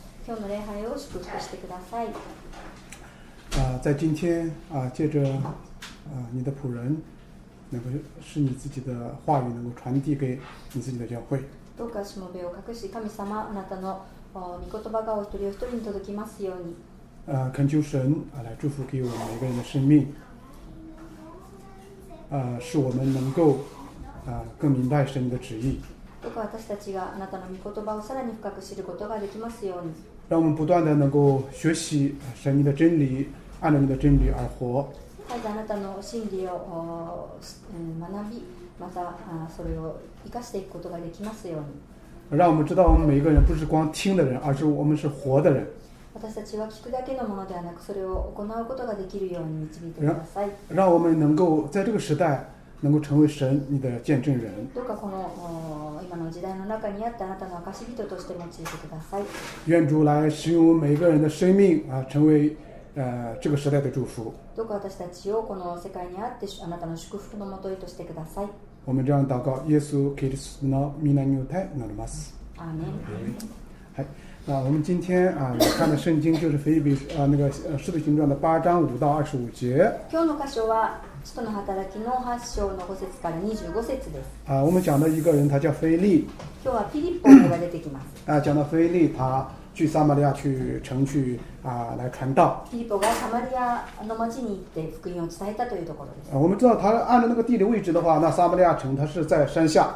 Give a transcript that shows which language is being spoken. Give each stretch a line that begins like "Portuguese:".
Japanese: 今日の礼拜を祝福してください。
Chinese: 在今天借着你的仆人能够使你自己的话语能够传递给你自己的教会，
Japanese: どうかしもべを隠し神様あなたの御言葉がお一人お一人に届きますように。
Chinese: 恳求神来祝福给我们每个人的生命，使我们能够更明白神的旨意，
Japanese: どうか私たちがあなたの御言葉をさらに深く知ることができますように。
Chinese: 让我们不断的能够学习神的真理，按照你的真理而活，
Japanese: 絶えあなたの真理を学び、またそれを生かしていくことができますように。
Chinese: 让我们知道我们每一个人不是光听的人，而是我们是活的人。
Japanese: 私たちは聞くだけのものではなく、それを行うことができるように導いてください。
Chinese: 让我们能够在这个时代能够成为神你的见证人。
Japanese: どうかこの今の時代の中にあってあなたの証人として用いてください。
Chinese: 愿主来使用每一个人的生命成为这个时代的祝福。
Japanese: どうか私たちをこの世界にあってあなたの祝福のもといとしてください。
Chinese: 我们这样祷告，
Japanese: 耶稣基督の御名によって祈ります。アーメン。はい。
Chinese: 我们今天看的圣经就是腓立比那个使徒行传的八章五到二十五节。
Japanese: 今日の箇所は使徒の働きの八章の五節から二十五節です。
Chinese: 我们讲的一个人，他叫腓立。
Japanese: 今日はフィリッポが出てきます。
Chinese: 讲到腓立，他去撒玛利亚去城去来传道。
Japanese: フィリッポがサマリアの町に行って福音を伝えたというところです。
Chinese: 我们知道他按照那个地理位置的话，那撒玛利亚城它是在山下。